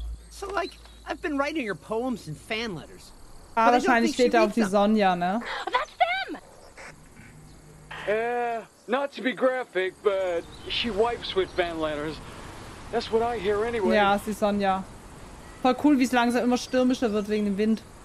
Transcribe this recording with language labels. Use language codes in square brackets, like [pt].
[en] So, like, I've been writing your poems in fan letters. [de] Ah, wahrscheinlich steht da auf die Sonja, ne? [en] Not to be graphic, but she wipes with fan letters. That's what I hear anyway. [de] Ja, sie Sonja. Voll cool, wie es langsam immer stürmischer wird wegen dem Wind.